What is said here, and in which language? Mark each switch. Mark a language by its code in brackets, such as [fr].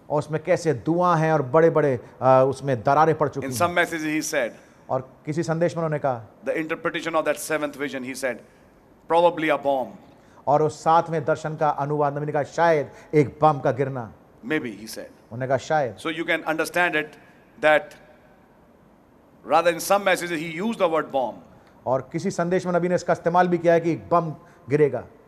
[hi] और उसमें कैसे धुआं है और बड़े बड़े उसमें दरारें पड़ चुकी [en] In some message he said, [hi] और किसी संदेश में उन्होंने कहा [en] The interpretation of that seventh vision, he said, probably a bomb. [hi] और उस सातवें दर्शन का अनुवाद ने कहा शायद एक बम का गिरना [en] Maybe, he said. [hi] उन्होंने कहा शायद [en] so you can understand it that rather in some message he used the word bomb [hi] और किसी संदेश में नबी ने इसका इस्तेमाल भी किया है कि बम गिरेगा